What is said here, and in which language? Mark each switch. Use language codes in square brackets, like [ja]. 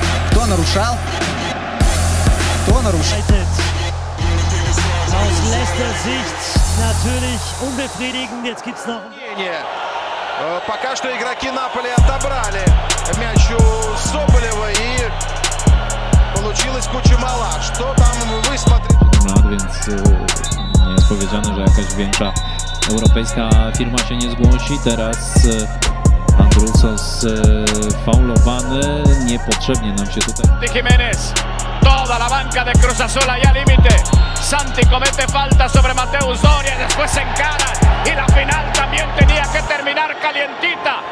[ru] Кто нарушал? Кто нарушал? [de] Aus letzter Sicht natürlich unbefriedigend. Jetzt gibt's noch. [ru] Пока что игроки Наполи отобрали мяч у Соболева и получилось куча мала. Что там высмотрит? [pl] Ну, więc nie jest powiedziane, że jakaś większa europejska firma się nie zgłosi. Teraz Andrusso faulowany niepotrzebnie nam się tutaj. [es] Jimenez. Toda la banca de Cruz Azul allá límite. Santi comete falta sobre Mateus Doria y después se encara. Y la final también tenía que terminar calientita.